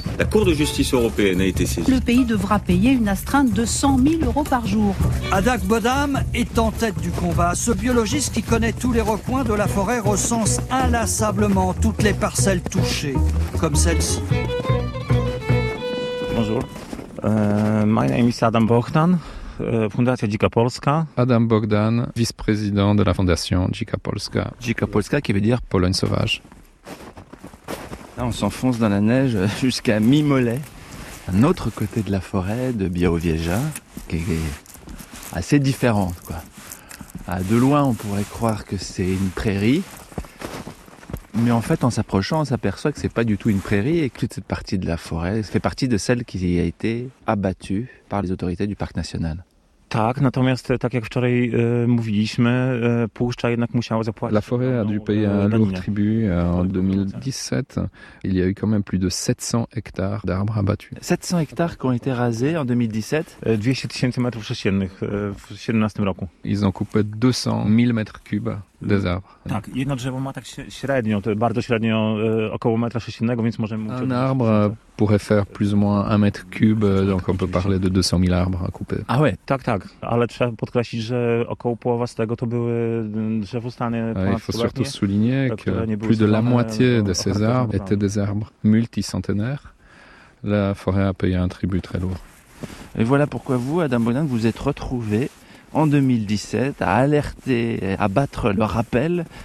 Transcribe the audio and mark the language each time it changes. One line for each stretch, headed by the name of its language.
French: La Cour de justice européenne a été saisie. Le pays devra payer une astreinte de 100 000 euros par jour. Adak Bodam est en tête du combat. Ce biologiste qui connaît tous les recoins de la forêt recense inlassablement toutes les parcelles touchées, comme celle-ci. Bonjour.
English: My name is Adam Bogdan, Fundacja Dzika Polska.
French: Adam Bogdan, vice-président de la Fondation Dzika Polska. Dzika Polska qui veut dire Pologne sauvage. Là, on s'enfonce dans la neige jusqu'à Mimolet, un autre côté de la forêt de Białowieża, qui est assez différente, quoi. De loin, on pourrait croire que c'est une prairie. Mais en fait, en s'approchant, on s'aperçoit que c'est pas du tout une prairie et que toute cette partie de la forêt fait partie de celle qui a été abattue par les autorités du parc national.
Polish: Tak, natomiast tak jak wczoraj mówiliśmy, puszcza jednak musiała zapłacić.
French: La forêt a dû payer un lourd tribut en 2017. Il y a eu quand même plus de 700 hectares d'arbres abattus. 700 hectares qui ont été rasés en 2017.
Polish: 200 000
French: mètres
Polish: sześciennych w 2017 roku.
French: Ils ont coupé 200 000 mètres cubes.
Polish: Tak, jedno drzewo ma tak średnio, to bardzo średnio około metra sześciennego, więc możemy...
French: Un arbre pourrait faire plus ou moins un mètre cube, donc on peut parler de 200 000 arbres à couper. Ah oui,
Polish: tak, tak, ale trzeba podkreślić, że około połowa z tego to były drzewostany ponadkoletnie.
French: Il faut surtout souligner que plus de la moitié de ces arbres étaient des arbres multicentenaires. La forêt a payé un tribut très lourd. Et voilà pourquoi vous, Adam Bonin, vous êtes retrouvé en 2017, à alerter, à battre leur appel.